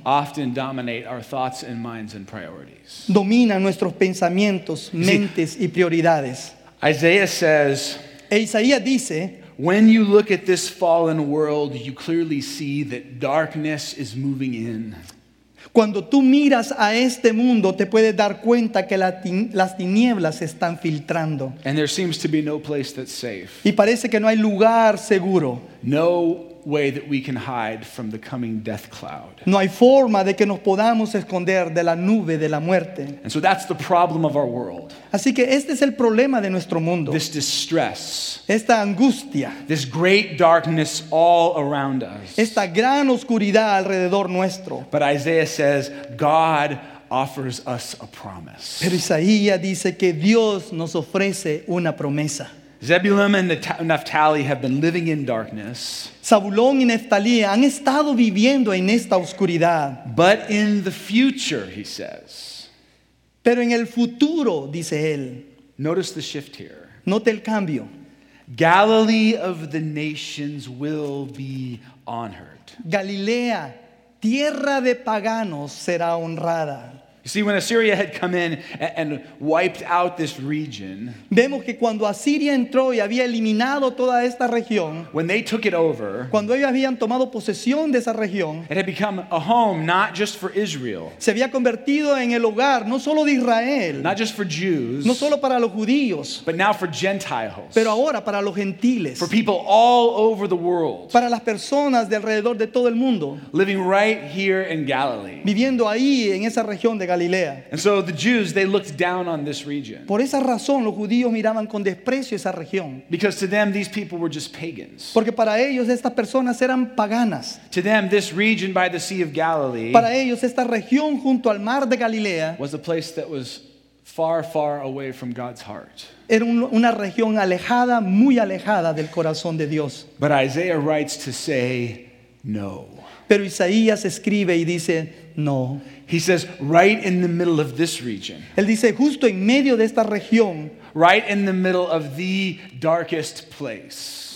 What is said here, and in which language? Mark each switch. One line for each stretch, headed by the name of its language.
English: often dominate our thoughts and minds and priorities.
Spanish: Dominan nuestros pensamientos, mentes y prioridades.
English: Isaiah says,
Spanish: e Isaías dice,
English: when you look at this fallen world, you clearly see that darkness is moving in.
Spanish: Cuando tú miras a este mundo, te puedes dar cuenta que las tinieblas están filtrando.
English: And there seems to be no place that's safe.
Spanish: Y parece que no hay lugar seguro.
English: No way that we can hide from the coming death cloud.
Spanish: No hay forma de que nos podamos esconder de la nube de la muerte.
English: And so that's the problem of our world.
Spanish: Así que este es el problema de nuestro mundo.
English: This distress.
Spanish: Esta angustia.
English: This great darkness all around us.
Spanish: Esta gran oscuridad alrededor nuestro.
English: But Isaiah says, God offers us a promise.
Spanish: Pero Isaías dice que Dios nos ofrece una promesa.
English: Zebulun and Naphtali have been living in darkness.
Spanish: Zabulón y Neftalí han estado viviendo en esta oscuridad.
English: But in the future, he says.
Spanish: Pero en el futuro, dice él.
English: Notice the shift here.
Spanish: Note el cambio.
English: Galilee of the nations will be honored.
Spanish: Galilea, tierra de paganos, será honrada.
English: You see, when Assyria had come in and wiped out this region,
Spanish: vemos que cuando Asiria entró y había eliminado toda esta región,
English: when they took it over,
Spanish: cuando ellos habían tomado posesión de esa región,
English: it had become a home not just for Israel,
Spanish: se había convertido en el hogar no solo de Israel,
English: not just for Jews,
Spanish: no solo para los judíos,
English: but now for Gentiles,
Spanish: pero ahora para los gentiles,
English: for people all over the world,
Spanish: para las personas de alrededor de todo el mundo,
English: living right here in Galilee,
Spanish: viviendo ahí en esa región.
English: And so the Jews, they looked down on this region.
Spanish: Por esa razón, los judíos miraban con desprecio esa región.
English: Because to them, these people were just pagans.
Spanish: Porque para ellos, estas personas eran paganas.
English: To them, this region by the Sea of Galilee,
Spanish: para ellos, esta región junto al mar de Galilea,
English: was a place that was far, far away from God's heart.
Spanish: Era una región alejada, muy alejada del corazón de Dios.
English: But Isaiah writes to say, no.
Spanish: Pero Isaías escribe y dice, no.
English: He says, right in the middle of this region.
Spanish: Él dice, justo en medio de esta región.
English: Right in the middle of the darkest place.